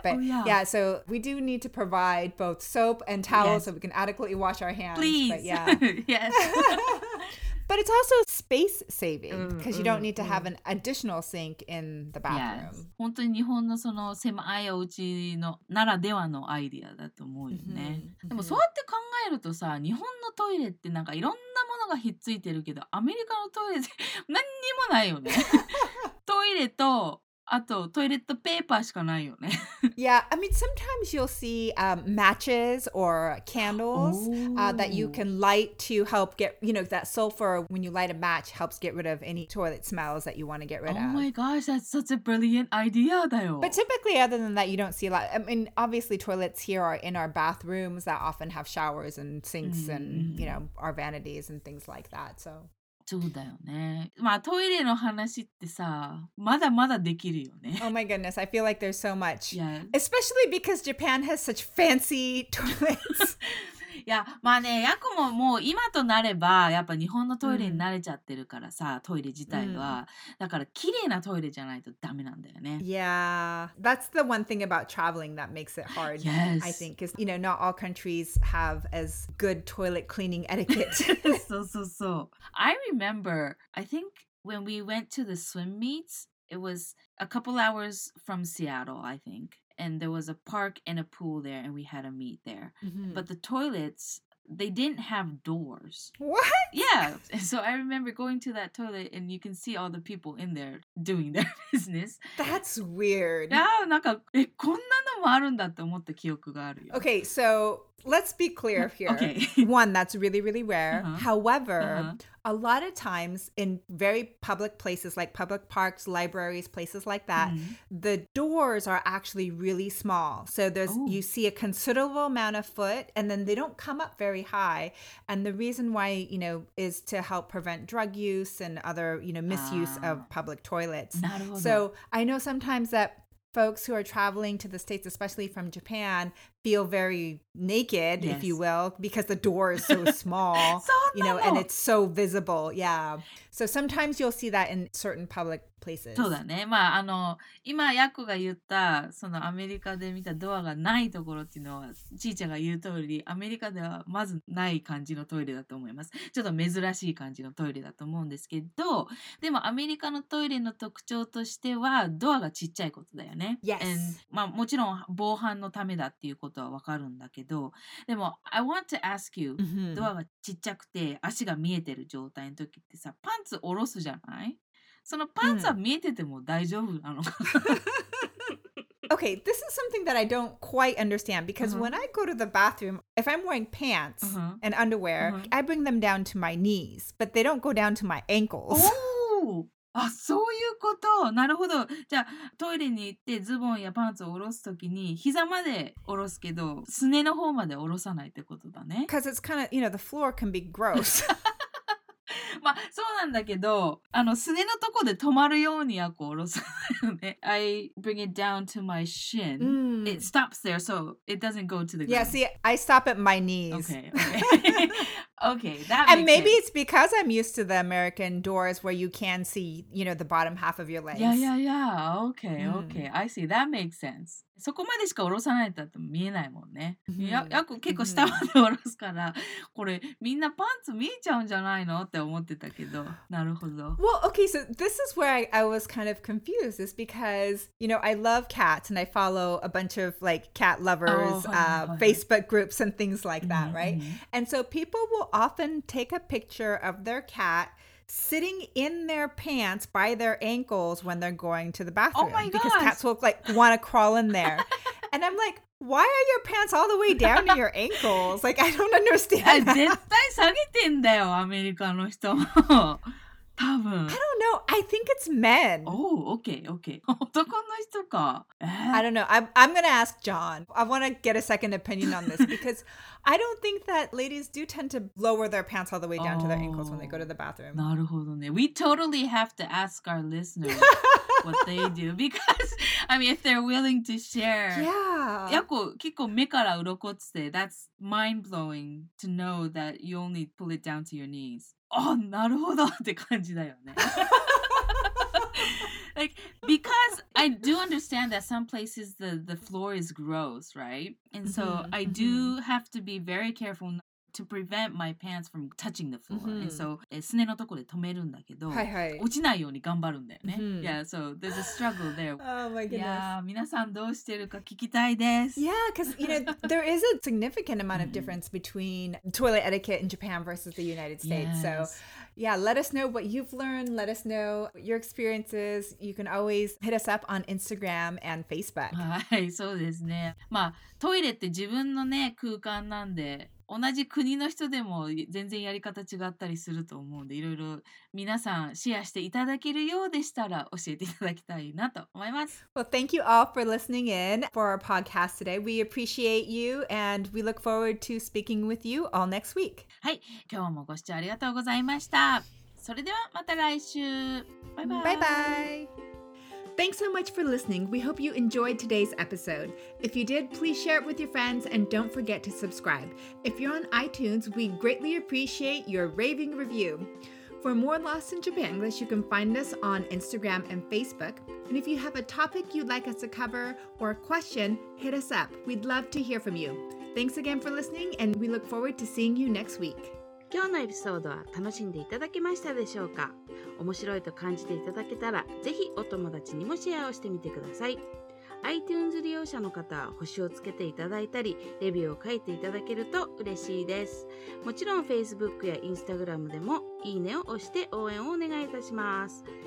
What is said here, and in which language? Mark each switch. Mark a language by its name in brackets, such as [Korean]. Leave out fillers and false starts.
[English] But so we do need to provide both soap and towel so we can adequately wash our hands. Please. But yeah. yes. But it's also space saving because you don't need to have an additional sink in the bathroom. Yes. [Japanese] 本当に日本のその狭いお家のならではのアイディアだと思うよね。でもそうやって考えるとさ、日本のトイレってなんかいろんなものがひっついてるけど、アメリカのトイレって何にもないよね。トイレとあとトイレットペーパーしかないよね。 [English] Yeah, I mean, sometimes you'll see matches or candles that you can light to help get, you know, that sulfur when you light a match helps get rid of any toilet smells that you want to get rid of. Oh my gosh, that's such a brilliant idea, though. But typically, other than that, you don't see a lot. I mean, obviously, toilets here are in our bathrooms that often have showers and sinks and, you know, our vanities and things like that, so... [Japanese] そうだよね。まあトイレの話ってさ、まだまだできるよね。 [English] Oh my goodness, I feel like there's so much. Yeah. Especially because Japan has such fancy toilets. [Japanese] いや、まあね、ヤコももう今となれば、やっぱ日本のトイレに慣れちゃってるからさ、トイレ自体は。だから綺麗なトイレじゃないとダメなんだよね。 [English] Yeah, that's the one thing about traveling that makes it hard, yes. I think. Because, you know, not all countries have as good toilet cleaning etiquette. [Japanese] そう。 [English] I remember, I think when we went to the swim meets, it was a couple hours from Seattle, I think. And there was a park and a pool there, and we had a meet there. Mm-hmm. But the toilets, they didn't have doors. What? Yeah. So I remember going to that toilet, and you can see all the people in there doing their business. That's weird. [Japanese] Yeah, なんか、え、こんなのもあるんだって思った記憶があるよ。 [English] Okay, so let's be clear here. Okay. One, that's really, really rare. Uh-huh. However... Uh-huh. A lot of times in very public places like public parks, libraries, places like that, the doors are actually really small. So there's, you see a considerable amount of foot and then they don't come up very high. And the reason why, you know, is to help prevent drug use and other, you know, misuse of public toilets. So I know sometimes that... Folks who are traveling to the States, especially from Japan, feel very naked, if you will, because the door is so small, you know, and it's so visible. Yeah. So sometimes you'll see that in certain public places. [Japanese] そうだね。まあ、あの、今、ヤコが言った、そのアメリカで見たドアがないところっていうのは、ちーちゃんが言う通り、アメリカではまずない感じのトイレだと思います。ちょっと珍しい感じのトイレだと思うんですけど、でもアメリカのトイレの特徴としては、ドアがちっちゃいことだよね。 [English] Yes. [Japanese] And, まあ、もちろん防犯のためだっていうことはわかるんだけど、でも、 [English] I want to ask you, [Japanese] ドアがちっちゃくて足が見えてる状態の時ってさ、パンツ下ろすじゃない？そのパンツは見えてても大丈夫なのかな？ [English] Okay, this is something that I don't quite understand because when I go to the bathroom, if I'm wearing pants and underwear, I bring them down to my knees, but they don't go down to my ankles. Oh! Ah, so you got it. [Japanese] なるほど。じゃあ、トイレに行ってズボンやパンツを下ろすときに膝まで下ろすけど、すねの方まで下ろさないってことだね。 [English] Because it's kind of, you know, the floor can be gross. [Japanese] まあ、そうなんだけど、あの、すねのとこで止まるようにはこう下ろすよね。 [English] I bring it down to my shin. It stops there, so it doesn't go to the ground. Yeah, see, I stop at my knees. Okay, okay. okay, that makes And maybe sense. It's because I'm used to the American doors where you can see, you know, the bottom half of your legs. Yeah, yeah, yeah. Okay, okay. I see. That makes sense. [Japanese] そこまでしか下ろさないとだって見えないもんね。や結構下まで下ろすから、これみんなパンツ見えちゃうんじゃないのって思ってたけど、なるほど。 [English] Well, okay, so this is where I was kind of confused. It's because, you know, I love cats and I follow a bunch of like cat lovers, Facebook groups and things like that, right? And so people will often take a picture of their cat. Sitting in their pants by their ankles when they're going to the bathroom. Oh my gosh. Because cats will like want to crawl in there. And I'm like, why are your pants all the way down to your ankles? Like, I don't understand. [Japanese] 絶対下げてんだよ、アメリカの人も。多分。 [English] I don't know. I think it's men. Oh, okay, okay. [Japanese] 男の人か。 [English] I don't know. I'm going to ask John. I want to get a second opinion on this because I don't think that ladies do tend to lower their pants all the way down to their ankles when they go to the bathroom. [Japanese] なるほどね。 [English] We totally have to ask our listeners what they do because, I mean, if they're willing to share. Yeah. [Japanese] 結構目から鱗つって、 [English] that's mind-blowing to know that you only pull it down to your knees. [Japanese] Oh, なるほどって感じだよね。 [English] Like, because I do understand that some places the floor is gross, right? And so I do have to be very careful to prevent my pants from touching the floor. And so, [Japanese] すねのとこで止めるんだけど、はいはい、落ちないように頑張るんだよね。 [English] Yeah, so there's a struggle there. Oh my goodness. [Japanese] Yeah, 皆さんどうしてるか聞きたいです。 [English] Yeah, because, you know, there is a significant amount of difference between toilet etiquette in Japan versus the United States. Yes. So, yeah, let us know what you've learned. Let us know your experiences. You can always hit us up on Instagram and Facebook. [Japanese] はい、そうですね。まあ、トイレって自分のね、空間なんで、同じ国の人でも全然やり方違ったりすると思うんで、いろいろ皆さんシェアしていただけるようでしたら教えていただきたいなと思います。 [English] Well, thank you all for listening in for our podcast today. We appreciate you and we look forward to speaking with you all next week. [Japanese] はい、今日もご視聴ありがとうございました。それではまた来週。バイバイ。バイバイ。 [English] Thanks so much for listening. We hope you enjoyed today's episode. If you did, please share it with your friends and don't forget to subscribe. If you're on iTunes, we greatly appreciate your raving review. For more Lost in Japanglish, you can find us on Instagram and Facebook. And if you have a topic you'd like us to cover or a question, hit us up. We'd love to hear from you. Thanks again for listening and we look forward to seeing you next week. [Japanese] 今日のエピソードは楽しんでいただけましたでしょうか?面白いと感じていただけたら、ぜひお友達にもシェアをしてみてください。 iTunes 利用者の方は星をつけていただいたり、レビューを書いていただけると嬉しいです。もちろん Facebook や Instagram でもいいねを押して応援をお願いいたします。